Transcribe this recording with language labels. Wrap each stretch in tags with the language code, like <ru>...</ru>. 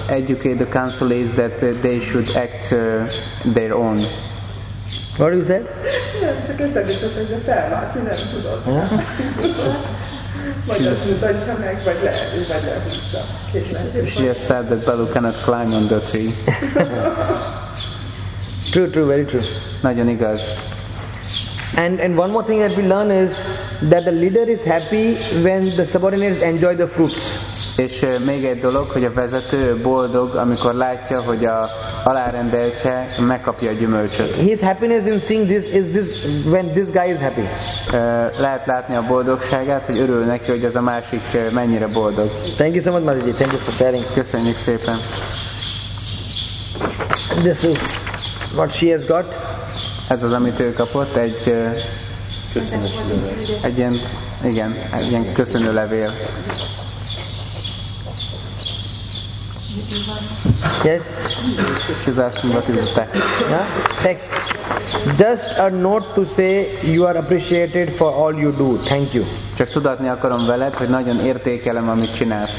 <en>Educate the councilees that they should act their own. What do you say?</en> <hu>Nem, csak összegított, hogy a felvászni nem tudott. Vagy azt mutatja meg, vagy lehúzza.</hu> <en>She just said that Balú cannot climb on the tree. True, very true.</en> <hu>Nagyon igaz.</hu> <en>And one more thing that we learn is that the leader is happy when the subordinates enjoy the fruits.</en> <hu>És még egy dolog, hogy a vezető boldog, amikor látja, hogy a alárendeltje megkapja a gyümölcsöt.</hu> <en>His happiness in seeing this is this when this guy is happy.</en> <hu>Lehet látni a boldogságát, hogy örül neki, hogy ez a másik mennyire boldog.</hu> <en>Thank you so much, Maharaji. Thank you for sharing.</en> <hu>Köszönjük szépen.</hu> <en>This is what she has got.</en> <hu>Ez az, amit ő kapott, egy egy ilyen köszönő levél.</hu> <en>Yes. She's asking what is the text. Yeah? Text. Just a note to say you are appreciated for all you do. Thank you.</en> <hu>Csak tudatni akarom veled, hogy nagyon értékelem, amit csinálsz.</hu>